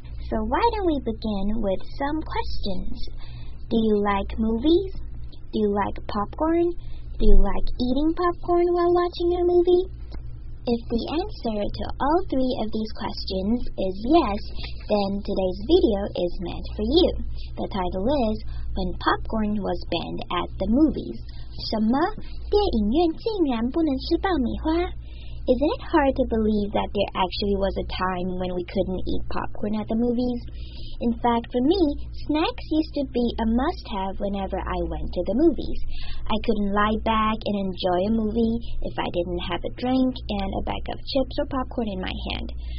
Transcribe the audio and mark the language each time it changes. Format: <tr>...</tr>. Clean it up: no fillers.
<en>So why don't we begin with some questions? Do you like movies? Do you like popcorn? Do you like eating popcorn while watching a movie? If the answer to all three of these questions is yes, then today's video is meant for you. The title is, When Popcorn Was Banned at the Movies.</en> <zh>什么？电影院竟然不能吃爆米花？</zh> <en>Isn't it hard to believe that there actually was a time when we couldn't eat popcorn at the movies? In fact, for me, snacks used to be a must-have whenever I went to the movies. I couldn't lie back and enjoy a movie if I didn't have a drink and a bag of chips or popcorn in my hand.</en>